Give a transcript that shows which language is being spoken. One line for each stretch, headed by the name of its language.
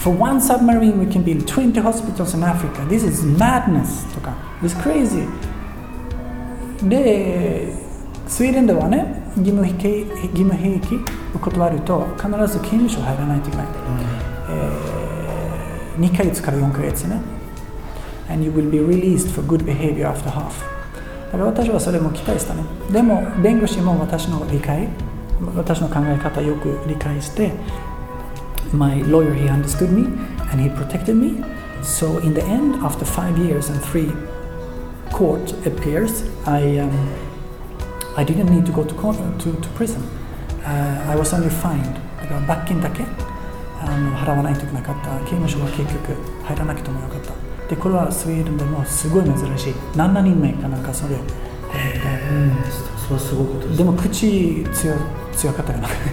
English: For one submarine, we can be in 20 hospitals in Africa. This is madness. とか、This is crazy.
Japanese: で、スウェーデンではね、義務兵役を断ると、必ず刑務所入らないといけない。 2ヶ月から4ヶ月ね。
English: And you will be released for good behavior after half.
Japanese: だから私はそれも期待したね。でも、弁護士も私の理解、私の考え方よく理解して、
English: My lawyer, he understood me and he protected me. So in the end, after 5 years and 3 court appeals, I didn't need to go to court, to prison. I was only fined.
Japanese: だから罰金だけ払わないといけなかった。刑務所は結局入らなくてもよかった。で、これはスウェーデンでもすごい珍しい。何何人目かなんかそれ。それはすごいことです。でも口強かったかな。